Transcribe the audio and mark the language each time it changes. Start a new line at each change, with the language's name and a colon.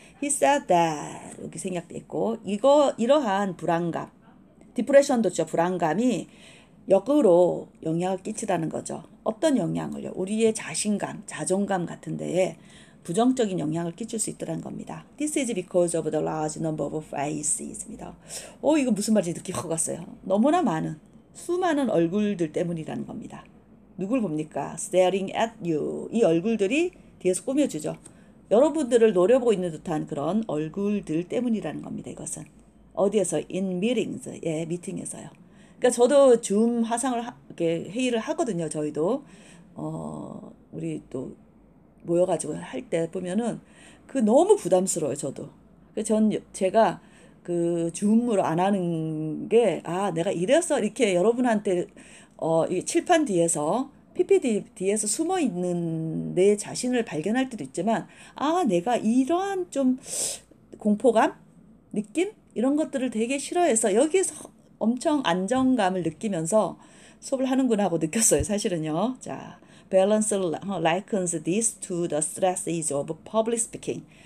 English: He said that.
Korean: 여기 생략됐고, 이러한 불안감, depression도 있죠. 불안감이 역으로 영향을 끼치다는 거죠. 어떤 영향을요? 우리의 자신감, 자존감 같은 데에 부정적인 영향을 끼칠 수 있다는 겁니다.
English: This is because of the large number of faces입니다.
Korean: 이거 무슨 말인지 느끼고 갔어요. 너무나 많은, 수많은 얼굴들 때문이라는 겁니다. 누굴 봅니까?
English: Staring at you.
Korean: 이 얼굴들이 뒤에서 꾸며주죠. 여러분들을 노려보고 있는 듯한 그런 얼굴들 때문이라는 겁니다. 이것은. 어디에서?
English: In meetings.
Korean: 예, 미팅에서요. 그러니까 저도 줌 이렇게 회의를 하거든요. 저희도. 우리 또, 모여가지고 할때 보면은 그 너무 부담스러워요, 저도. 제가 그 줌으로 안 하는 게, 아, 내가 이래서 이렇게 여러분한테, 이 칠판 뒤에서, PPT 뒤에서 숨어 있는 내 자신을 발견할 때도 있지만, 아, 내가 이러한 좀 공포감? 느낌? 이런 것들을 되게 싫어해서 여기서 엄청 안정감을 느끼면서 수업을 하는구나 하고 느꼈어요, 사실은요. 자.
English: Balance likens this to the stresses of public speaking.